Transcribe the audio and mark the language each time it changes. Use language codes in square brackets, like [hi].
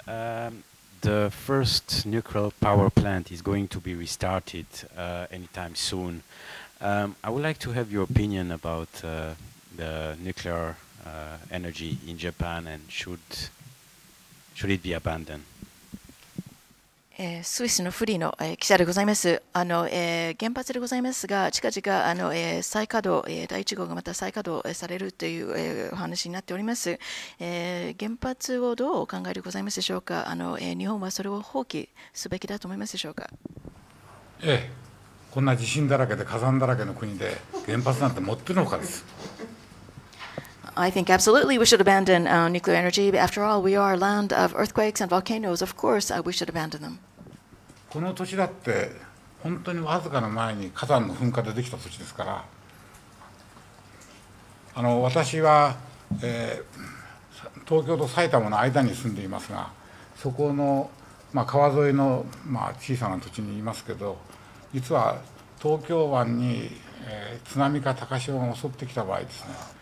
[en] The first nuclear power plant is going to be restarted anytime soon. I would like to have your opinion about the nuclear energy in Japan and should it be abandoned? [ja] スイスのフリーの記者でございます。原発でございますが、近々再稼働、第1号がまた再稼働されるというお話になっております。原発をどうお考えでございますでしょうか。日本はそれを放棄すべきだと思いますでしょうか。ええ、こんな地震だらけで火山だらけの国で原発なんて持ってるのかです。 [en] I think absolutely we should abandon nuclear energy. After all, we are a land of earthquakes and volcanoes. Of course, we should abandon them. [ja] この土地だって本当にわずかの前に火山の噴火でできた土地ですから。私は、東京と埼玉の間に住んでいますが、そこの、川沿いの、小さな土地にいますけど、実は東京湾に、津波か高潮が襲ってきた場合ですね。